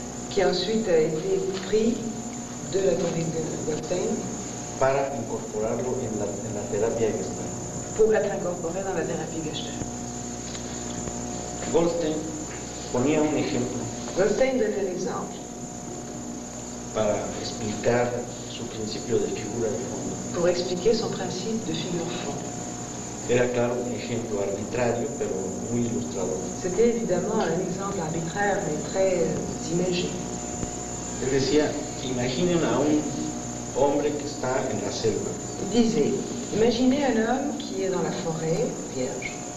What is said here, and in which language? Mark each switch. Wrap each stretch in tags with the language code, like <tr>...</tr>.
<fr>Qui ensuite a été pris de la théorie de Goldstein</fr> <es>para incorporarlo en la terapia Gestalt.</es> <fr>Pour être incorporé dans la thérapie Gestalt.</fr> <es>Goldstein ponía un ejemplo.</es> <fr>Goldstein donnait un exemple.</fr> <es>Para explicar su principio de figura de fondo.</es> <fr>Pour expliquer son principe de figure fond.</fr> <es>Era claro un ejemplo arbitrario, pero muy ilustrador.</es> <fr>C'était évidemment un exemple arbitraire, mais très imagé.</fr> <es>Él decía, imaginen a un hombre que está en la selva.</es> <fr>Disait, imaginez un homme qui est dans la forêt, vierge.</fr>